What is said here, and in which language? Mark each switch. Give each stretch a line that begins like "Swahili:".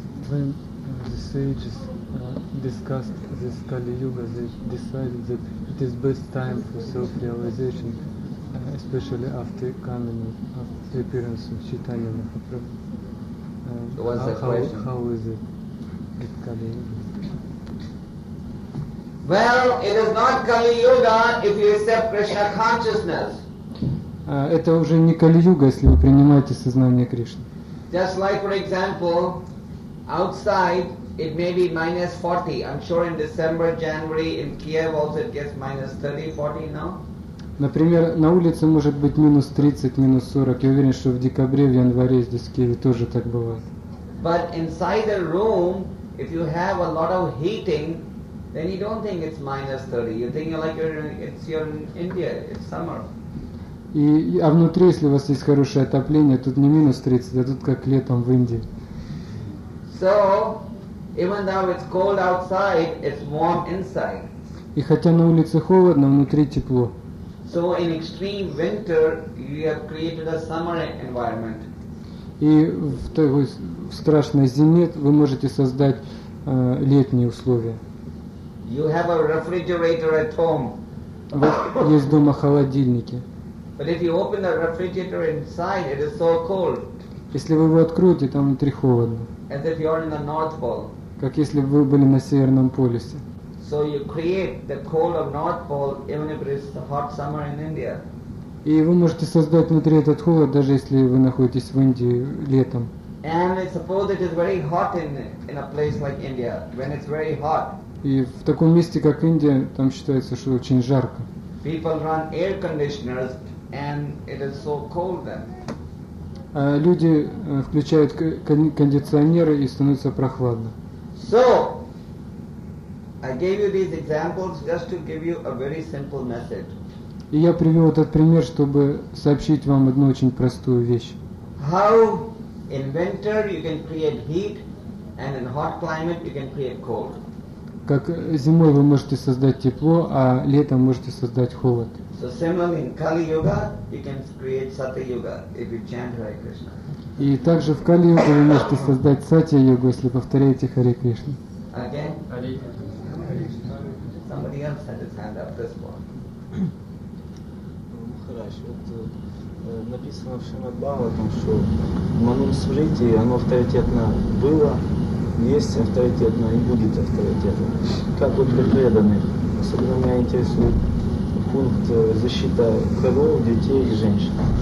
English: When the sages discussed this Kali Yuga, they decided that it is best time for self-realization, especially after coming of the appearance of Chaitanya Mahaprabhu. What's the question? How is it with Kali Yuga? Well, it is not Kali Yuga if you accept Krishna consciousness.
Russian: Это уже не Кали Юга, если вы принимаете сознание Кришны.
English: Just like, for example, outside it may be minus 40. I'm sure in December, January in Kiev also it gets minus 30, 40 now.
Russian: Например, на улице может быть минус 30, минус 40. Я уверен, что в декабре, в январе здесь в Киеве тоже так бывает.
English: But inside a room, if you have a lot of heating, then you don't think it's minus 30. You think like you're in India, it's summer.
Russian: А внутри, если у вас есть хорошее отопление, тут не минус 30, а тут как летом в Индии.
English: So, even though it's cold outside, it's warm inside.
Russian: И хотя на улице холодно, внутри тепло.
English: So in extreme winter, you have created a summer environment.
Russian: И в такой страшной зиме вы можете создать летние условия.
English: You have a refrigerator at home.
Russian: Есть дома холодильники.
English: But if you open the refrigerator inside, it is so cold.
Russian: Если вы его откроете, там внутри холодно.
English: As if you are in the North Pole.
Russian: Как если бы вы были на Северном полюсе.
English: So you create the cold of North Pole even if it is the hot summer in India.
Russian: И вы можете создать внутри этот холод, даже если вы находитесь в Индии летом.
English: And suppose it is very hot in a place like India, when it's very hot.
Russian: И в таком месте, как Индия, там считается, что очень жарко.
English: People run air conditioners and it is so cold then.
Russian: Люди включают кондиционеры и становится прохладно.
English: So I gave you these examples just to give you a very simple message.
Russian: И я привел этот пример, чтобы сообщить вам одну очень простую вещь.
English: How in winter you can create heat, and in hot climate you can create cold.
Russian: Как зимой вы можете создать тепло, а летом можете создать холод.
English: So similarly in Kali Yuga you can create Satya Yuga if you chant Hare Krishna.
Russian: И также в Кали Йога вы можете создать Сатья Йогу, если повторяете Харе Кришна.
English: Again? Somebody else had his hand up this one.
Russian: Махарадж, вот написано в Шримад Бхагаватам, что Манум Смрити, оно авторитетно было, есть авторитетно и будет авторитетно. Как вот преданные, особенно меня интересует пункт защита коров, детей и женщин.